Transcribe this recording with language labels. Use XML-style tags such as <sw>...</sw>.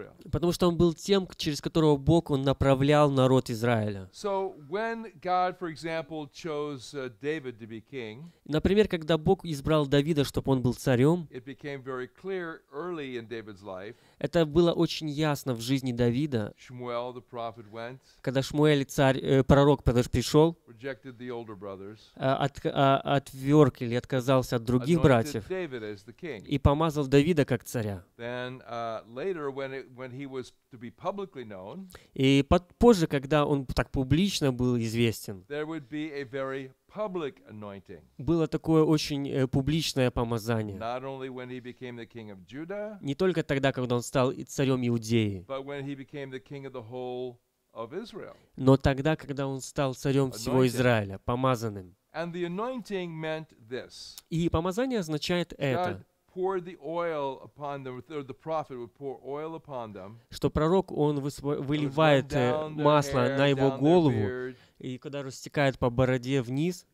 <ru>Потому что он был тем, через которого Бог он направлял народ Израиля.</ru> <en>So when God, for example, chose David to be king,</en> <ru>например, когда Бог избрал Давида, чтобы он был царем,</ru> <en>it became very clear early in David's life,</en> <ru>это было очень ясно в жизни Давида,</ru> <en>Shmuel, the prophet, went,</en> <ru>когда Шмуэль, пророк, пришел,</ru> <en>rejected the older brothers,</en> <ru>отверг или отказался от других братьев</ru> <en>David as the king.</en> <ru>И помазал Давида как царя.</ru> <en>Then, later, when he was to be publicly known,</en> <ru>и позже, когда он так публично был известен,</ru> <en>there would be a very public anointing.</en> <ru>Было такое очень публичное помазание.</ru> <en>Not only when he became the king of Judah,</en> <ru>не только тогда, когда он стал царем Иудеи,</ru> <en>but when he became the king of the whole of Israel.</en> <ru>Но тогда, когда он стал царем всего Израиля, помазанным.</ru> <en>And the anointing meant this.</en> <ru>И помазание означает это.</ru> <en>Poured the oil upon them, or the prophet would pour oil upon them.</en> <ru>Что пророк он выливает масло на его голову, и когда растекает по бороде вниз.</ru>